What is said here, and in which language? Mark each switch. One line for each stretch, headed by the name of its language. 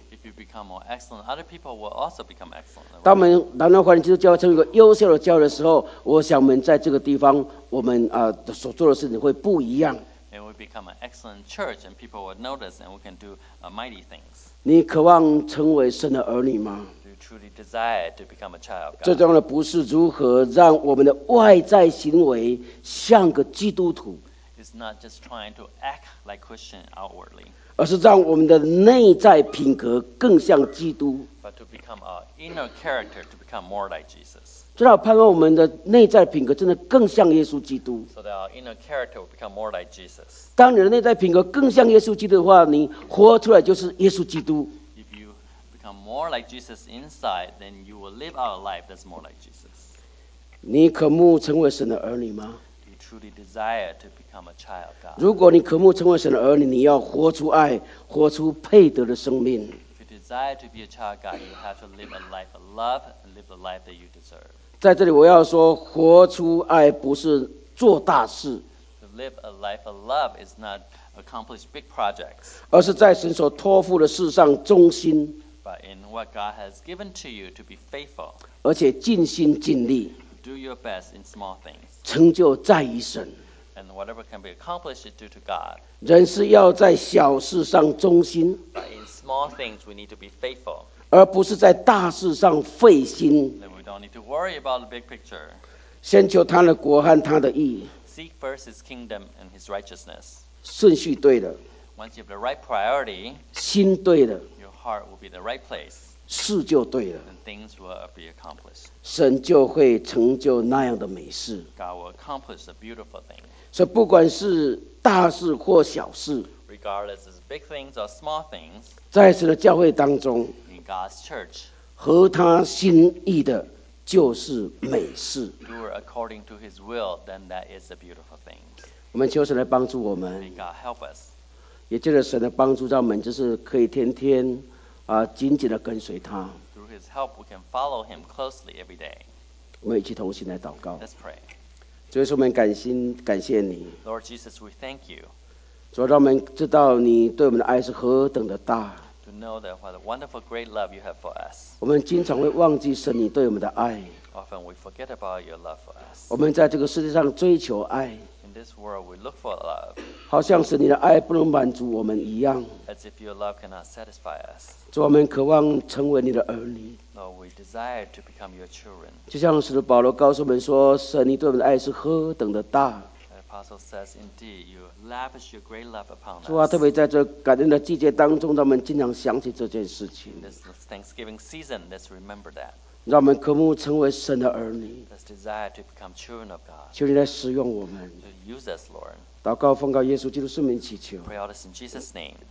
English: If you become more excellent, other people will also become excellent.
Chinese: 当我们南安华人基督教会成为一个优秀的教会的时候，我想我们在这个地方，我们所做的事情会不一样。
English: It will become an excellent church, and people will notice, and we can do mighty things.
Chinese: 你渴望成为神的儿女吗？
English: Do you truly desire to become a child of God?
Chinese: 最重要的不是如何让我们的外在行为像个基督徒。
English: It's not just trying to act like Christian outwardly.
Chinese: 而是让我们的内在品格更像基督。
English: But to become our inner character, to become more like Jesus.
Chinese: 最好盼望我们的内在品格真的更像耶稣基督。
English: So that our inner character will become more like Jesus.
Chinese: 当你的内在品格更像耶稣基督的话，你活出来就是耶稣基督。
English: If you become more like Jesus inside, then you will live out a life that's more like Jesus.
Chinese: 你渴慕成为神的儿女吗？
English: Do you truly desire to become a child of God?
Chinese: 如果你渴慕成为神的儿女，你要活出爱，活出配得的生命。
English: If you desire to be a child of God, you have to live a life of love and live the life that you deserve.
Chinese: 在这里我要说，活出爱不是做大事，
English: to live a life of love is not accomplish big projects,
Chinese: 而是在神所托付的事上忠心，
English: but in what God has given to you to be faithful,
Chinese: 而且尽心尽力，
English: do your best in small things,
Chinese: 成就在于神，
English: and whatever can be accomplished is due to God.
Chinese: 人是要在小事上忠心，
English: but in small things we need to be faithful,
Chinese: 而不是在大事上费心。
English: Don't need to worry about the big picture.
Chinese: 先求他的国和他的义。
English: Seek first his kingdom and his righteousness.
Chinese: 顺序对了。
English: Once you have the right priority,
Chinese: 心对了。
English: Your heart will be the right place.
Chinese: 事就对了。
English: And things will be accomplished.
Chinese: 神就会成就那样的美事。
English: God will accomplish a beautiful thing.
Chinese: 所以不管是大事或小事，
English: regardless of big things or small things,
Chinese: 在神的教会当中，
English: in God's church,
Chinese: 合他心意的就是美事。
English: Do it according to His will, then that is a beautiful thing.
Chinese: 我们求神来帮助我们。
English: May God help us.
Chinese: 也借着神的帮助，让我们就是可以天天紧紧的跟随他。
English: Through His help, we can follow Him closely every day.
Chinese: 我们一起同心来祷告。
English: Let's pray.
Chinese: 主耶稣，我们感谢你。
English: Lord Jesus, we thank you.
Chinese: 主，让我们知道你对我们的爱是何等的大。
English: To know that what a wonderful great love you have for us.
Chinese: 我们经常会忘记神你对我们的爱。
English: Often we forget about your love for us.
Chinese: 我们在这个世界上追求爱。
English: In this world we look for love.
Chinese: 好像是你的爱不能满足我们一样。
English: As if your love cannot satisfy us.
Chinese: 主，我们渴望成为你的儿女。
English: Lord, we desire to become your children.
Chinese: 就像使徒保罗告诉我们说，神你对我们的爱是何等的大。
English: apostle says, indeed, you lavish your great love upon us.
Chinese: 主啊，特别在这感恩的季节当中，让我们经常想起这件事情。
English: This Thanksgiving season, let's remember that.
Chinese: 让我们渴慕成为神的儿女。
English: Let's desire to become children of God.
Chinese: 求你来使用我们。
English: To use us, Lord.
Chinese: 祷告奉告耶稣基督圣名祈求。
English: Pray all this in Jesus' name.